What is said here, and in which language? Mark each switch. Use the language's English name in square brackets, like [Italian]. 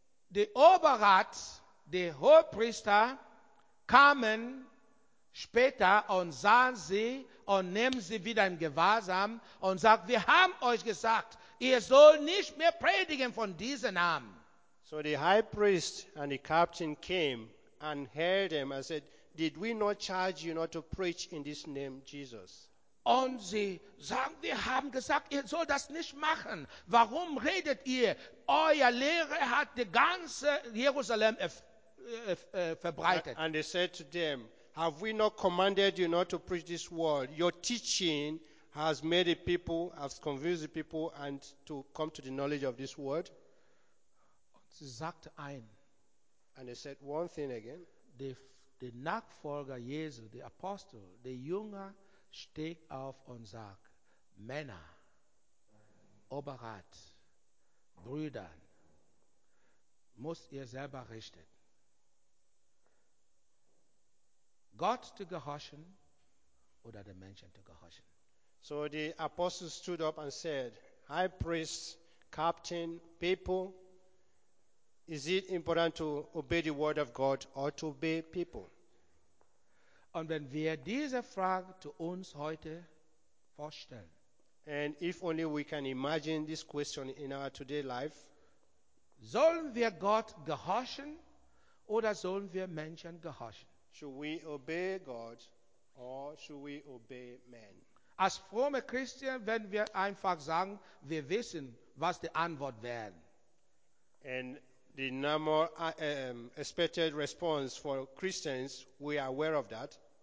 [German] Die Oberrat, die Hohepriester kamen später und sahen sie und nehmen sie wieder in Gewahrsam und sagt, wir haben euch gesagt, ihr sollt nicht mehr predigen von diesem Namen. [English] So the high priest and the captain came and held them and said, did we not charge you not to preach in this name Jesus? [German] Und sie sagen, wir haben gesagt, ihr sollt das nicht machen. Warum redet ihr? Euer Lehre hat die ganze Jerusalem verbreitet. [English] And they said to them, have we not commanded you not to preach this word? Your teaching has made the people, has convinced the people and to come to the knowledge of this word. And they said one thing again. [German] The Nachfolger Jesu, [English] the apostle, the [German] Jünger, steht auf und sagt, Männer, Oberrat, Brüder, müsst ihr selber richten. Gott zu gehorchen oder den Menschen zu gehorchen. [English] So the apostle stood up and said, High priest, captain, people, is it important to obey the word of God or to obey people? [German] Und wenn wir diese Frage zu uns heute vorstellen, [English] and if only we can imagine this question in our today life, [German] sollen wir Gott gehorchen oder sollen wir Menschen gehorchen? [English] Should we obey God or should we obey men? [German] Als fromme Christen, wenn wir einfach sagen, wir wissen, was die Antwort wäre. [English] And the normal expected response for Christians, we are aware of that.